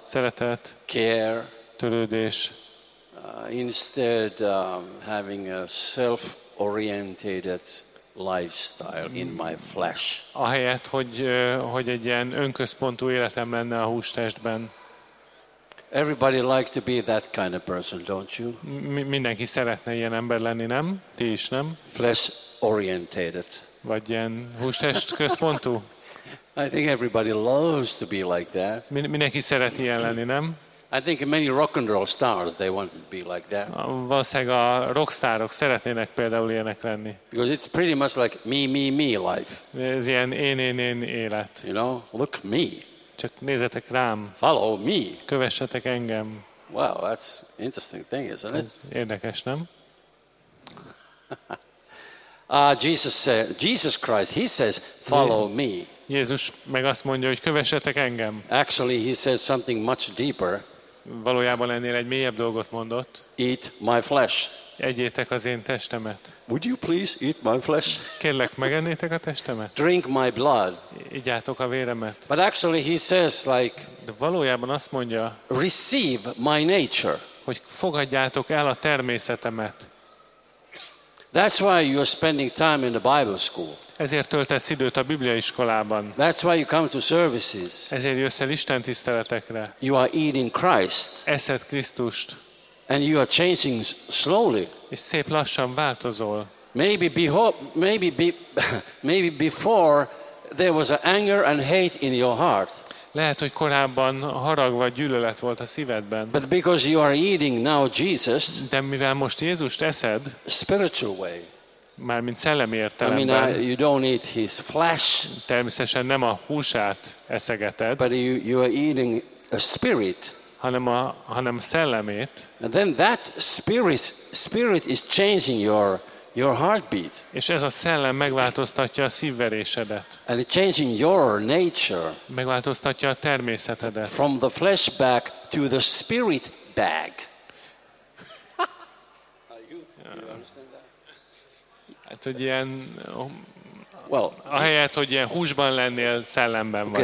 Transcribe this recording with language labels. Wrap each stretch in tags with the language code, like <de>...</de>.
<hu>Szeretet.</hu> <en>Care.</en> <hu>Törődés.</hu> <en>Instead having a self-oriented lifestyle in my flesh.</en> <hu>Ahelyett, hogy egy ilyen önközpontú életem lenne a hústestben.</hu> <en>Everybody likes to be that kind of person, don't you?</en> <hu>Mindenki szeretne ilyen ember lenni, nem? Ti is, nem?</hu> <en>Flesh oriented.</en> <hu>Vagy ilyen hústest központú.</hu> <en>I think everybody loves to be like that.</en> <hu>Mindenki szeret ilyen lenni, nem?</hu> <en>I think many rock and roll stars they want to be like that.</en> <hu>Valószínűleg a rockstárok szeretnének például ilyenek lenni.</hu> <en>Because it's pretty much like me life.</en> <hu>Ez ilyen én élet.</hu> <en>You know, look me.</en> <hu>Csak nézzetek rám.</hu> <en>Follow me.</en> <hu>Kövessetek engem.</hu> <en>Wow, that's interesting thing, isn't it?</en> <hu>Érdekes, nem?</hu> <en>Jesus Christ, he says, follow me.</en> <hu>Jézus meg azt mondja, hogy kövessetek engem.</hu> <en>Actually, he says something much deeper.</en> <hu>Valójában ennél egy mélyebb dolgot mondott.</hu> <en>Eat my flesh.</en> <hu>Egyétek az én testemet.</hu> <en>Would you please eat my flesh?</en> <hu>Kérlek, megennétek a testemet.</hu> <en>Drink my blood.</en> <hu>Igyátok a véremet.</hu> <en>But actually he says like</en> <hu>de valójában azt mondja,</hu> <en>receive my nature.</en> <hu>Hogy fogadjátok el a természetemet.</hu> <en>That's why you are spending time in the Bible school.</en> <hu>Ezért töltesz időt a Biblia iskolában.</hu> <en>That's why you come to services.</en> <hu>Ezért jössz el Isten tiszteletekre.</hu> <en>You are eating Christ.</en> <hu>Eszed Krisztust.</hu> <en>And you are changing slowly.</en> <hu>És szép lassan változol.</hu> <en>Maybe before there was anger and hate in your heart.</en> <hu>Lehet, hogy korábban harag vagy gyűlölet volt a szívedben.</hu> <en>But because you are eating now Jesus.</en> <hu>De mivel most Jézust eszed.</hu> <en>Spiritual way.</en> <hu>Mármint szellemi értelemben.</hu> <en>I mean, you don't eat his flesh.</en> <hu>Természetesen nem a húsát eszegeted.</hu> <en>But you are eating a spirit.</en> <hu>hanem a szellemét.</hu> <en>And then that spirit is changing your heartbeat.</en> <hu>És ez a szellem megváltoztatja a szívverésedet.</hu> <en>And it's changing your nature.</en> <hu>Megváltoztatja a természetedet.</hu> <en>From the flesh bag to the spirit bag.</en> <hu>Hát, hogy ilyen, ahelyett, hogy ilyen húsban lennél, szellemben vagy.</hu>